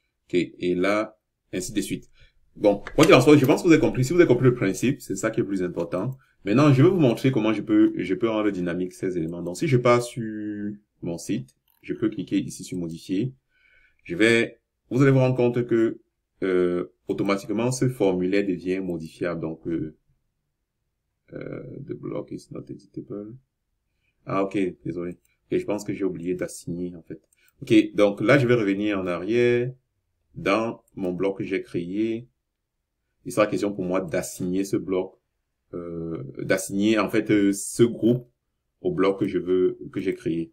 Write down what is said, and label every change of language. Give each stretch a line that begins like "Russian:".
French: Et là, ainsi de suite. Bon, quoi qu'il en soit, je pense que vous avez compris. Si vous avez compris le principe, c'est ça qui est le plus important. Maintenant, je vais vous montrer comment je peux rendre dynamique ces éléments. Donc, si je passe sur mon site, je peux cliquer ici sur modifier. Vous allez vous rendre compte que, automatiquement, ce formulaire devient modifiable. Donc,
English: the block is not editable.
French: Ah, ok, désolé. Et je pense que j'ai oublié d'assigner, en fait. Ok, donc là, je vais revenir en arrière dans mon bloc que j'ai créé. Il sera question pour moi d'assigner ce bloc. D'assigner en fait ce groupe au bloc que je veux que j'ai créé.